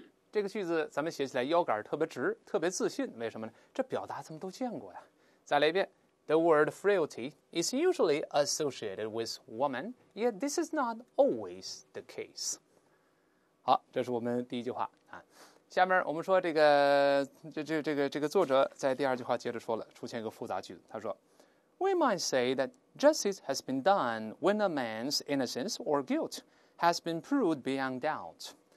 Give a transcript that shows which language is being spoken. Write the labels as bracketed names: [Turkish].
[Chinese] 这个句子咱们写起来腰杆特别直，特别自信，为什么呢？这表达咱们都见过呀。再来一遍。 [English] The word frailty is usually associated with woman, yet this is not always the case. [Chinese] 好，这是我们第一句话啊。下面我们说这个，这个作者在第二句话接着说了，出现一个复杂句子。他说 [English] ，We might say that justice has been done when a man's innocence or guilt has been proved beyond doubt.